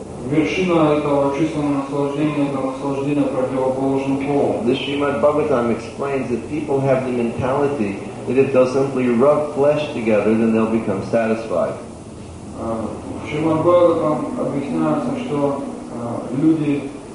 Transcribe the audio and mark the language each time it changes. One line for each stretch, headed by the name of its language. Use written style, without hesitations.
Russian: Вершина этого чувственного наслаждения — это наслаждение противоположным полом.
English: The Srimad Bhagavatam explains that people have the mentality that if they'll simply rub flesh together, then they'll become satisfied.
Russian: В Шримад Бхагаватам объясняется, что люди...